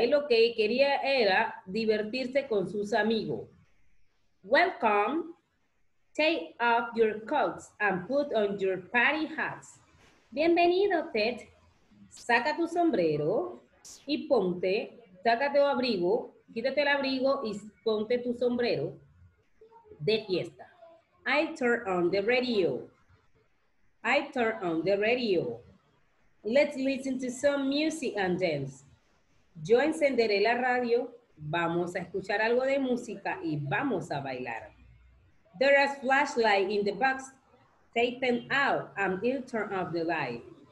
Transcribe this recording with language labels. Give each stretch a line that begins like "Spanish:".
Spanish: Él lo que quería era divertirse con sus amigos.
English: Welcome. Take off your coats and put on your party hats.
Spanish: Bienvenido, Ted. Saca tu sombrero y ponte Sácate tu abrigo, quítate el abrigo y ponte tu sombrero de fiesta.
English: I turn on the radio. I turn on the radio. Let's listen to some music and dance.
Spanish: Yo encenderé la radio. Vamos a escuchar algo de música y vamos a bailar.
English: There is a flashlight in the box. Take them out and it'll turn off the light.